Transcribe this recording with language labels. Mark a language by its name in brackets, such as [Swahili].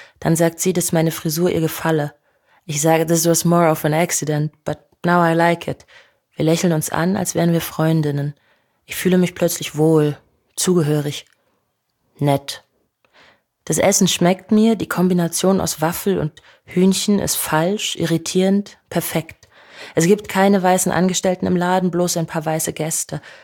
[German] Dann sagt sie, dass meine Frisur ihr gefalle. Ich sage, [English] this was more of an accident, but now I like it. [German] Wir lächeln uns an, als wären wir Freundinnen. Ich fühle mich plötzlich wohl, zugehörig, nett. Das Essen schmeckt mir, die Kombination aus Waffel und Hühnchen ist falsch, irritierend, perfekt. Es gibt keine weißen Angestellten im Laden, bloß ein paar weiße Gäste.